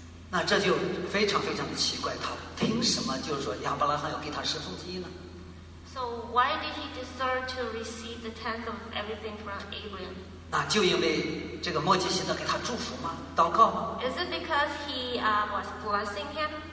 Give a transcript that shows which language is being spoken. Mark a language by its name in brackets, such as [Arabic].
[Chinese] 那这就非常非常的奇怪，他凭什么就是说亚伯拉罕要给他十分之一呢？ [English] So why did he deserve to receive the tenth of everything from Abraham? [Chinese] 那就因为这个墨迹西德给他祝福吗？祷告吗？ [English] Is it because he was blessing him?